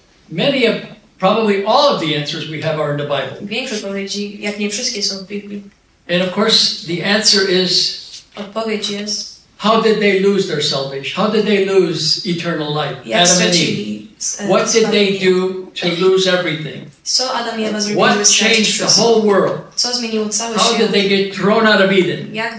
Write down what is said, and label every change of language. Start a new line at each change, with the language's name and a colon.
English: Many of, probably all of the answers we have are in the Bible.
Polish: Większość odpowiedzi, jak nie wszystkie, są w Biblii.
English: And of course, the answer is.
Polish: Odpowiedź jest.
English: How did they lose their salvation? How did they lose eternal life? Adam and Eve. What did they do to lose everything? What changed the whole world? How did they get thrown out of Eden?